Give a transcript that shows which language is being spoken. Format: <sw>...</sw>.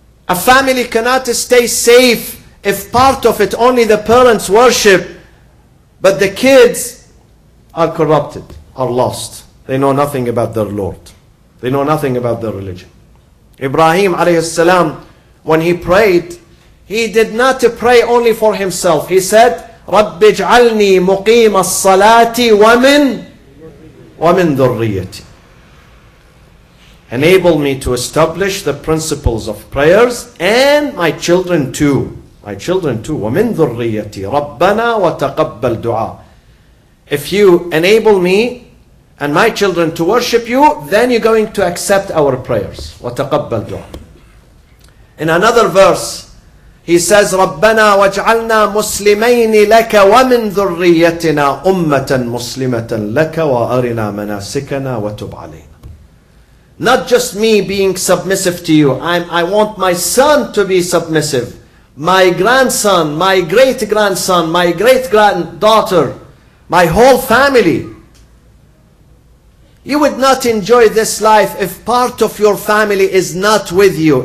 <en>A family cannot stay safe if part of it only the parents worship, but the kids are corrupted, are lost. They know nothing about their Lord. They know nothing about their religion. Ibrahim alayhi salam, when he prayed, he did not pray only for himself. He said,</en> <ar>رَبِّ اجْعَلْنِي مُقِيمَ الصَّلَاةِ وَمِنْ ذُرِّيَّتِي.</ar> <en>Enable me to establish the principles of prayers and my children too. My children too.</en> <ar>وَمِنْ ذُرِّيَّتِي رَبَّنَا وَتَقَبَّلْ دُعَى.</ar> <en>If you enable me and my children to worship you, then you're going to accept our prayers.</en> <ar>وَتَقَبَّلْ دُعَى.</ar> <en>In another verse, he says,</en> <ar>رَبَّنَا وَاجْعَلْنَا مُسْلِمَيْنِ لَكَ وَمِنْ ذُرِّيَّتِنَا أُمَّةً مُسْلِمَةً لَكَ وَأَرِنَا مَنَاسِكَنَا وَتُبْ عَلَيْنَا.</ar> <en>Not just me being submissive to you. I want my son to be submissive. My grandson, my great-grandson, my great-granddaughter, my whole family. You would not enjoy this life if part of your family is not with you.</en>